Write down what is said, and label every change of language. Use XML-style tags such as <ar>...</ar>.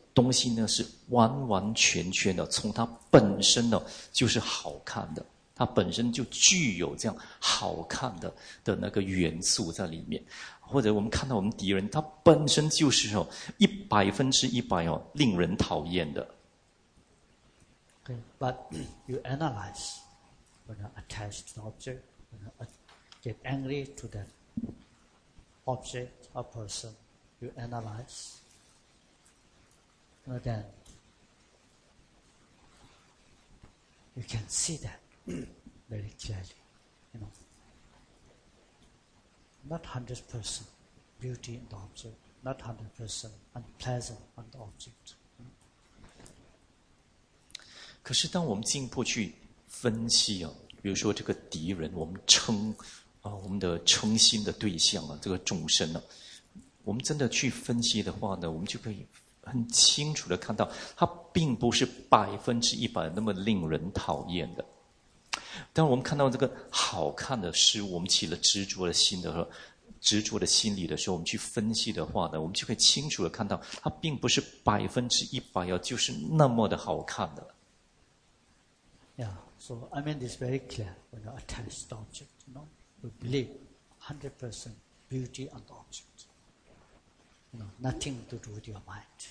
<zh>东西呢是完完全全的从它本身呢就是好看的，它本身就具有这样好看的那个元素在里面。或者我们看到我们敌人，它本身就是哦100%哦令人讨厌的。</zh> <en>Okay, but you analyze when you attach to the object, when you get angry to that object or person, you analyze. And then you can see that very clearly, you know. Not 100% beauty in the object, not 100% unpleasant on the object.</en> <zh>可是当我们进一步去分析啊，比如说这个敌人，我们称啊，我们的称心的对象啊，这个众生啊，我们真的去分析的话呢，我们就可以。很清楚的看到，它并不是百分之一百那么令人讨厌的。当我们看到这个好看的事物，我们起了执着的心的时候，执着的心理的时候，我们去分析的话呢，我们就可以清楚的看到，它并不是百分之一百要就是那么的好看的。</zh> <en>Yeah, so I mean it's very clear when you attach the object, you know, you believe 100% beauty on the object. You know, nothing to do with your mind.</en>